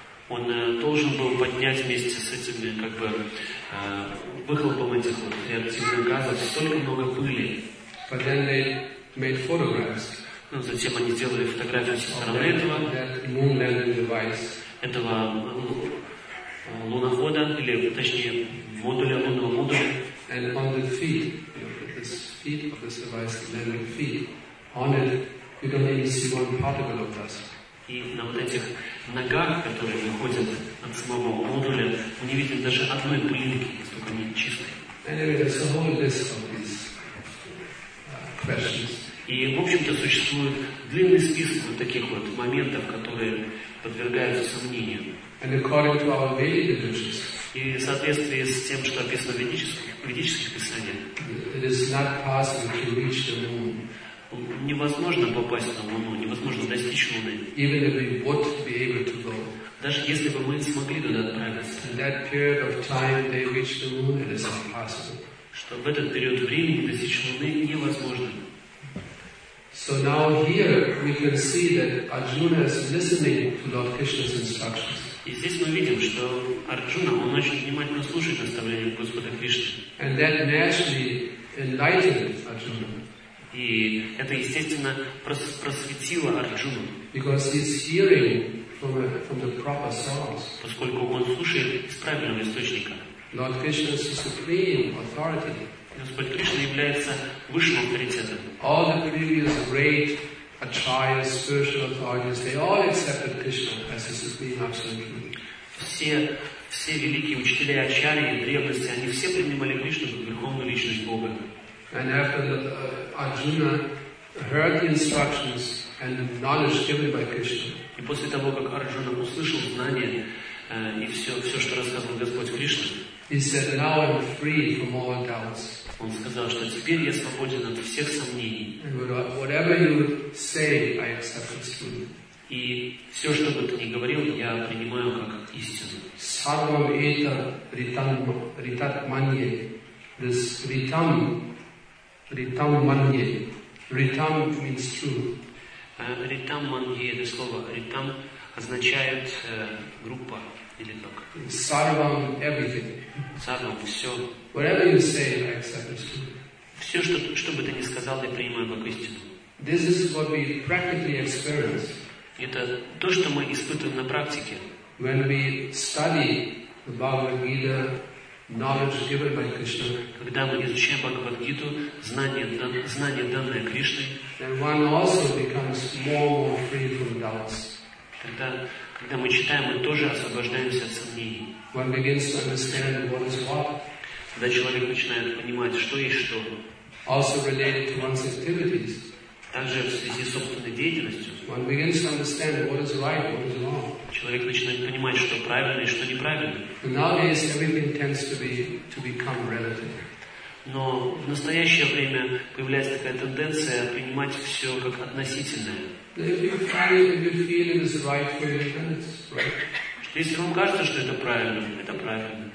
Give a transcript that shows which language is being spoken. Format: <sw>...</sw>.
<ru>Он должен был поднять вместе с этим как бы выхлопом этих вот реактивных газов столько много пыли.</ru> <en>But then they made photographs.</en> <ru>Ну, затем они делали фотографии со стороны этого.</ru> <en>That moon landing device.</en> <ru>Этого лунохода, или точнее модуля, лунного модуля.</ru> <en>And on the feet, this feet of this device, landing feet, on it, you don't even see one particle of dust.</en> <ru>И на вот этих ногах, которые выходят от самого модуля, мы не видим даже одной пылинки, только они чистые.</ru> <en>Anyway, there's a whole list of these questions.</en> <ru>И, в общем-то, существует длинный список вот таких вот моментов, которые подвергаются сомнению.</ru> <en>And according to our Vedic traditions,</en> <ru>и в соответствии с тем, что описано в ведических писаниях,</ru> <en>it is not possible to reach the moon.</en> <ru>Невозможно попасть на Луну, невозможно достичь Луны.</ru> <en>Even if we would be able to go,</en> <ru>даже если бы мы смогли туда отправиться,</ru> <en>in that period of time they reach the moon, it is impossible.</en> <ru>Что в этот период времени достичь Луны невозможно.</ru> <en>So now here we can see that Arjuna is listening to Lord Krishna's instructions.</en> <ru>И здесь мы видим, что Арджуна, он очень внимательно слушает наставления Господа Кришны.</ru> <en>And that naturally enlightened Arjuna.</en> <ru>И это, естественно, просветило Арджуну.</ru> <en>Because he's hearing from the proper source.</en> <ru>Поскольку он слушает из правильного источника.</ru> <en>Lord Krishna is the supreme authority.</en> <ru>Господь Кришна является высшим авторитетом.</ru> <en>All the previous great acharyas, spiritual authorities, they all accepted Krishna as the supreme absolute truth.</en> <ru>Все великие учителя ачарьи в древности, они все принимали Кришну как верховную личность Бога.</ru> <en>And after the Arjuna heard the instructions and the knowledge given by Krishna.</en> <ru>И после того, как Арджуна услышал знания и все, что рассказывал Господь Кришна,</ru> <en>he said, "Now I'm free from all doubts."</en> <ru>Он сказал, что теперь я свободен от всех сомнений.</ru> <en>Whatever you say, I accept as truth.</en> <ru>И все, что бы ты ни говорил, я принимаю как истину.</ru> <sa>Sarvam eta ritat manye. This ritam manye.</sa> <en>Ritam means true.</en> <sa>Ritam manye,</sa> <ru>это слово ритам, означает группа или как?</ru> <en>Sarvam everything.</en> <ru>Sarvam все.</ru> <en>Whatever you say, I accept as truth.</en> <ru>Все, что бы ты ни сказал, я принимаю как истину.</ru> <en>This is what we practically experience.</en> <ru>Это то, что мы испытываем на практике.</ru> <en>When we study the Bhagavad Gita, knowledge given by Krishna.</en> <ru>Когда мы изучаем Бхагавад Гиту, знание данное Кришной.</ru> <en>Then one also becomes more and more free from doubts.</en> <ru>Когда мы читаем, мы тоже освобождаемся от сомнений.</ru> <en>One begins to understand what is what.</en> <ru>Когда человек начинает понимать, что есть что.</ru> <en>Also related to one's activities.</en> <ru>Также в связи с собственной деятельностью.</ru> <en>One begins to understand what is right, what is wrong.</en> <ru>Человек начинает понимать, что правильно и что неправильно.</ru> <en>And nowadays everything tends to become relative.</en> <ru>Но в настоящее время появляется такая тенденция принимать все как относительное.</ru> <en>If you find a good feeling is right for your friends, right?</en> <ru>Если вам кажется, что это правильно, это правильно.</ru>